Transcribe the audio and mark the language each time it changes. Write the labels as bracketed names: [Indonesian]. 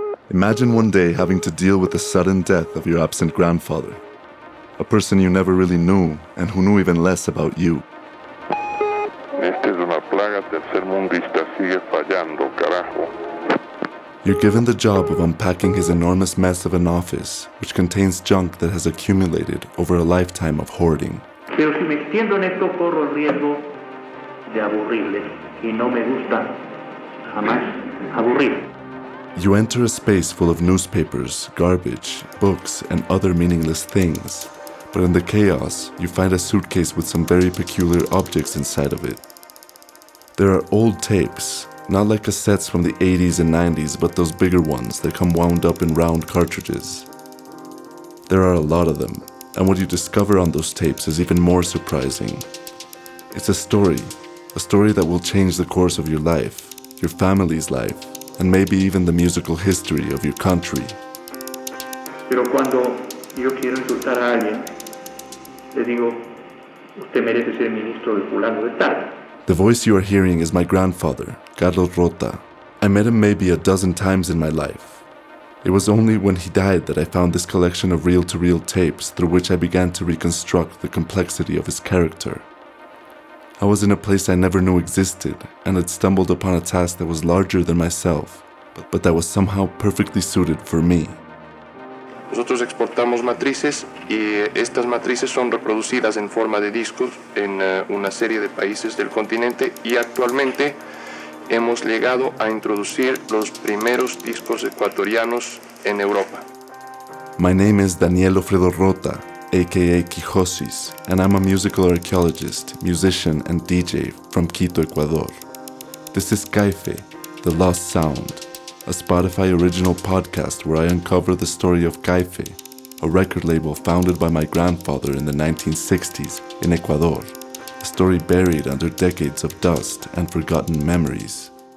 [English] Imagine one day having to deal with the sudden death of your absent grandfather, a person you never really knew and who knew even less about you. [Spanish] Esta es una plaga tercermundista, sigue fallando, carajo. [English] You're given the job of unpacking his enormous mess of an office, which contains junk that has accumulated over a lifetime of hoarding. [Spanish] Pero si me extiendo en esto, corro el riesgo de aburrirle, y no me gusta jamás aburrir. [English] You enter a space full of newspapers, garbage, books, and other meaningless things. But in the chaos, you find a suitcase with some very peculiar objects inside of it. There are old tapes, not like cassettes from the 80s and 90s, but those bigger ones that come wound up in round cartridges. There are a lot of them, and what you discover on those tapes is even more surprising. It's a story that will change the course of your life, your family's life, and maybe even the musical history of your country. [Spanish] Pero cuando yo quiero insultar a alguien, le digo, usted merece ser ministro de fulano de tal. [English] The voice you are hearing is my grandfather, Carlos Rota. I met him maybe a dozen times in my life. It was only when he died that I found this collection of reel-to-reel tapes through which I began to reconstruct the complexity of his character. I was in a place I never knew existed, and had stumbled upon a task that was larger than myself, but that was somehow perfectly suited for me. [Spanish] Nosotros exportamos matrices, y estas matrices son reproducidas en forma de discos en una serie de países del continente, y actualmente hemos llegado a introducir los primeros discos ecuatorianos en Europa. [English] My name is Daniel Alfredo Rota, aka Quijosis, and I'm a musical archaeologist, musician, and DJ from Quito, Ecuador. This is Caife, The Lost Sound, a Spotify original podcast where I uncover the story of Caife, a record label founded by my grandfather in the 1960s in Ecuador, a story buried under decades of dust and forgotten memories.